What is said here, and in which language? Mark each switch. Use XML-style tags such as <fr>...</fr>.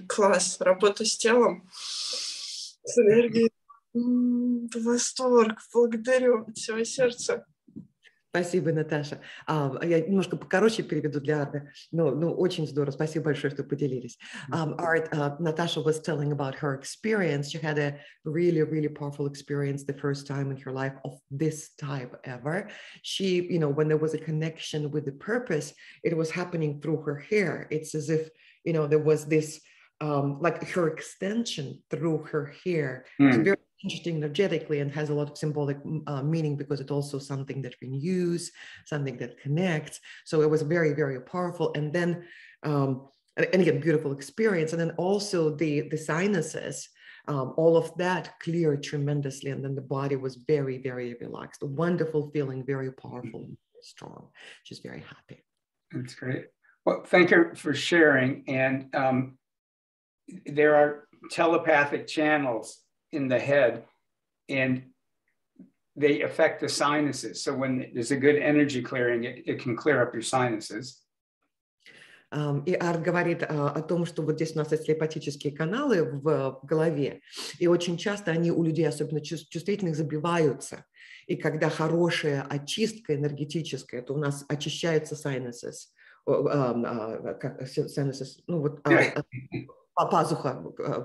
<ru>Класс. Работа с телом. С энергией. Восторг. Благодарю от всего сердца. Спасибо, Наташа. Я немножко покороче переведу для Арты. Ну, очень здорово. Спасибо большое, что поделились.</ru> <en>Арт, Наташа was telling about her experience. She had a really, really powerful experience the first time in her life of this type ever. She, you know, when there was a connection with the purpose, it was happening through her hair. It's as if, you know, there was this, like her extension through her hair. Interesting energetically and has a lot of symbolic meaning because it's also something that renews, something that connects. So it was very, very powerful. And then, and again, beautiful experience. And then also the sinuses, all of that cleared tremendously. And then the body was very, very relaxed. A wonderful feeling, very powerful, very strong. She's very happy. That's great. Well, thank you for sharing. And there are telepathic channels in the head, and they affect the sinuses. So when there's a good energy clearing, it can clear up your sinuses.</en> <ru>И Арт говорит о том, что вот здесь у нас есть телепатические каналы в голове, и очень часто они у людей, особенно чувствительных, забиваются. И когда хорошая очистка энергетическая, то у нас очищаются пазуха.</ru>